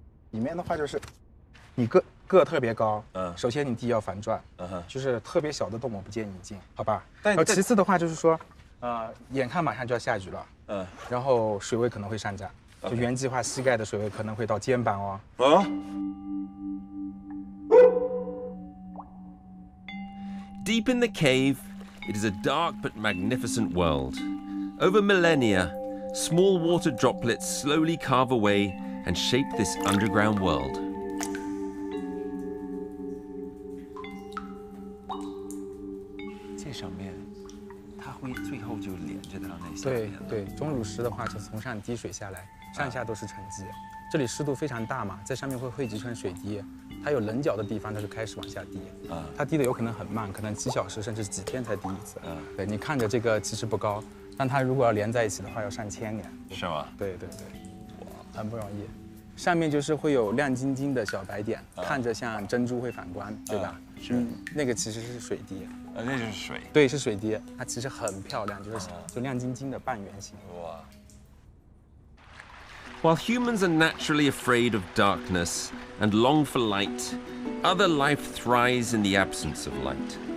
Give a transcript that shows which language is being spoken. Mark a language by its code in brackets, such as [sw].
[zh] 里面的话就是，你个特别高，嗯，首先你地要反转，嗯哼，就是特别小的洞我不建议进，好吧？但其次的话就是说，眼看马上就要下雨了，嗯，然后水位可能会上涨。 [en] Okay. [zh] 就原计划膝盖的水位可能会到肩膀哦。啊！ [en] Deep in the cave, it is a dark but magnificent world. Over millennia, small water droplets slowly carve away and shape this underground world. This [zh] 上面，它会最后就连接到那下面了。对对，钟乳石的话就从上滴水下来。上下都是沉积，这里湿度非常大嘛，在上面会汇集成水滴，它有棱角的地方它就开始往下滴，它滴的有可能很慢，可能几小时甚至几天才滴一次，对，你看着这个其实不高，但它如果要连在一起的话要上千年，是吗？对对对，很不容易，上面就是会有亮晶晶的小白点，看着像珍珠会反光，对吧？是，那个其实是水滴，那就是水，对，是水滴，它其实很漂亮，就亮晶晶的半圆形，哇。 [en] While humans are naturally afraid of darkness and long for light, other life thrives in the absence of light.